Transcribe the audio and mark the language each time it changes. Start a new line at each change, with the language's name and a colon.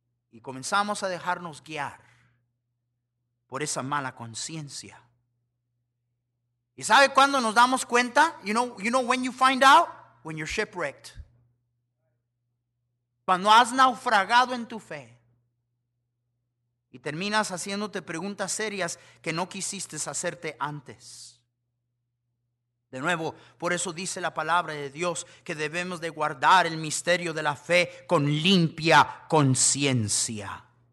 Spanish: Y comenzamos a dejarnos guiar por esa mala conciencia. ¿Y sabe cuándo nos damos cuenta?
English: You know when you find out? When you're shipwrecked.
Spanish: Cuando has naufragado en tu fe y terminas haciéndote preguntas serias que no quisiste hacerte antes. De nuevo, por eso dice la palabra de Dios que debemos de guardar el misterio de la fe con limpia conciencia.